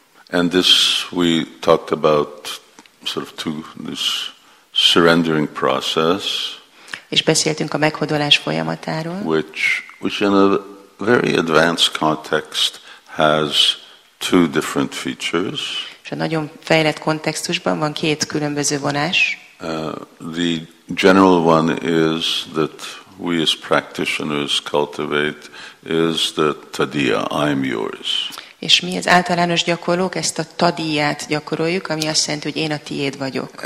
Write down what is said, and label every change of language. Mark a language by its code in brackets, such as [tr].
[en] And this we talked about sort of to this surrendering process. [hu] És beszéltünk a meghódolás folyamatáról. [en] Which in a very advanced context has two different features. [hu] És a nagyon fejlett kontextusban van két különböző vonás. [en] The general one is that we as practitioners cultivate is the tadiya, I'm yours. [hu] És mi az általános gyakorlók ezt a tadiyát gyakoroljuk, ami azt jelenti, hogy én a tiéd vagyok.